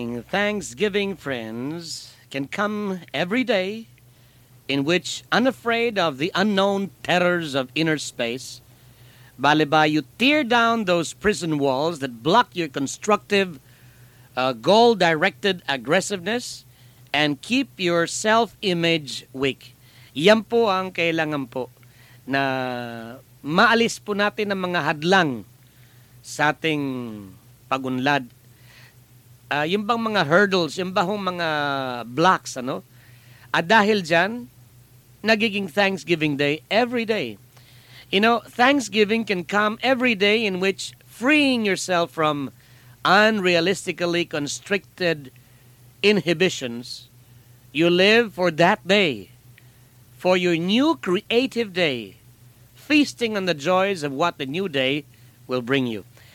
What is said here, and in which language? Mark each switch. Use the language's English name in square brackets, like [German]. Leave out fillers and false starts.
[English] Thanksgiving, friends, can come every day in which, unafraid of the unknown terrors of inner space, baliba you tear down those prison walls that block your constructive, goal-directed aggressiveness and keep your self-image weak. [Filipino] Yan po ang kailangan po na maalis po natin ang mga hadlang sa ating pagunlad. Yung bang mga hurdles, yung bang mga blocks, ano? At dahil dyan, nagiging Thanksgiving Day every day. [English] You know, Thanksgiving can come every day in which freeing yourself from unrealistically constricted inhibitions, you live for that day, for your new creative day, feasting on the joys of what the new day will bring you.